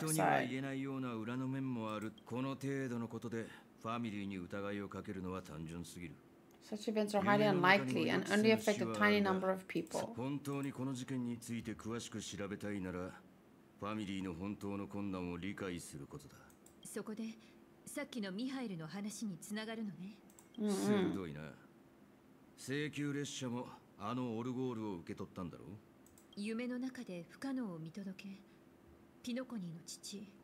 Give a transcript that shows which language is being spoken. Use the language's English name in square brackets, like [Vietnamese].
[English] side。 [Japanese] 人には言えないような裏の面もある。この程度のことでファミリーに疑いをかけるのは単純すぎる。 [English] Such events are highly unlikely and only affect a tiny number of people. [Japanese] 本当にこの事件について詳しく調べたいなら、ファミリーの本当の困難を理解することだ。そこで、さっきのミハイルの話につながるのね。鋭いな。請求列車もあのオルゴールを受け取ったんだろう。夢の中で不可能を見届け、ピノコニーの父。